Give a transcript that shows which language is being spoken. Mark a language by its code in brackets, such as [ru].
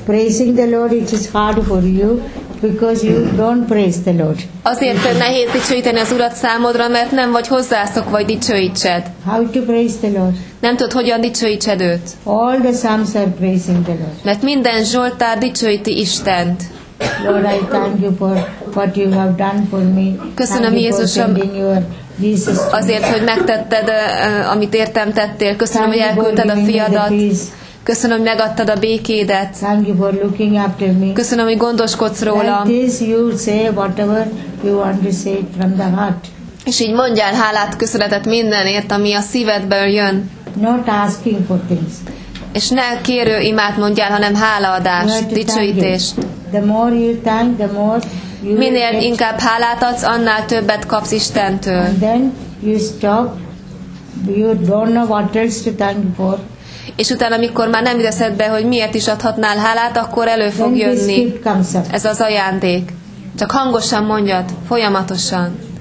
[en] Praising the Lord, it is hard for you, because you don't praise the Lord. [hu] Azért nehéz dicsőíteni az Urat számodra, mert nem vagy hozzászok, vagy dicsőítsed. [en] How to praise the Lord? [hu] Nem tudod, hogyan dicsőítsed őt. [en] All the psalms are praising the Lord. [hu] Mert minden zsoltár dicsőíti Istent. [en] Lord, I thank you for what you have done for me. [hu] Köszönöm Jézusom azért, hogy megtetted, amit értem tettél. Köszönöm, hogy elküldted a fiadat. Köszönöm, hogy megadtad a békédet. [en] Thank you for looking after me. [hu] Köszönöm, hogy gondoskodsz rólam. [en] Like this you say whatever you want to say from the heart. [hu] És így mondjál hálát, köszönetet mindenért, ami a szívedből jön. [en] Not asking for things. [hu] És ne kérő imát mondjál, hanem hálaadást, dicsőítést. [en] The more you thank, the more you [hu] minél inkább hálát adsz, annál többet kapsz Istentől. [en] And then you stop. You don't know what else to thank for. [hu] És utána, amikor már nem üteszed be, hogy miért is adhatnál hálát, akkor elő fog [en] then [hu] jönni. Ez az ajándék. Csak hangosan mondjad, folyamatosan.